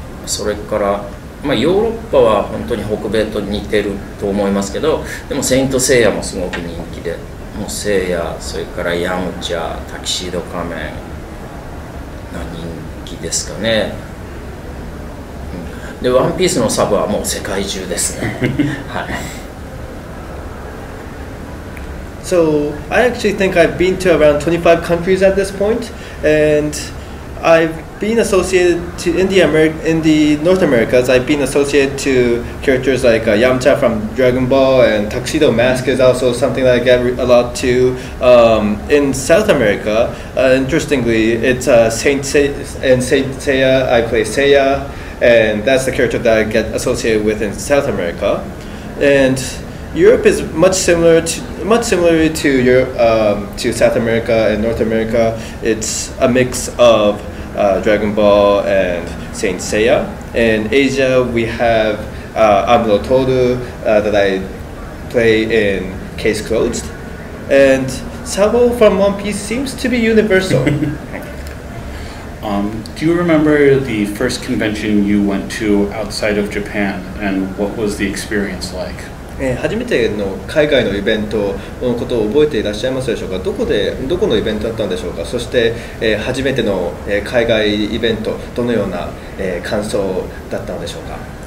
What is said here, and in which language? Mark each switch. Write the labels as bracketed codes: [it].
[ja] それから、まあ、ヨーロッパは本当に北米と似てると思いますけど、でもセイントセイヤもすごく人気で、もうセイヤ、それからヤムチャ、タキシード仮面が人気ですかね。で、ワンピースのサブはもう世界中ですね。はい。 [en] So, I actually think I've been to around 25 countries at this point, and I've been associated to in North America, I've been associated to characters like Yamcha from Dragon Ball, and Tuxedo Mask is also something that I get a lot to. In South America, interestingly, it's Saint Seiya, I play Seiya, and that's the character that I get associated with in South America. And Europe is much similar to South America and North America. It's a mix of Dragon Ball and Saint Seiya. In Asia, we have Amuro Toru that I play in Case Closed. And Sabo from One Piece seems to be universal. Do you remember the first convention you went to outside of Japan, and what was the experience like? [ja] 初めての海外のイベントのことを覚えていらっしゃいますでしょうか。どこのイベントだったんでしょうか。そして、初めての海外イベント、どのような、感想だったのでしょうか。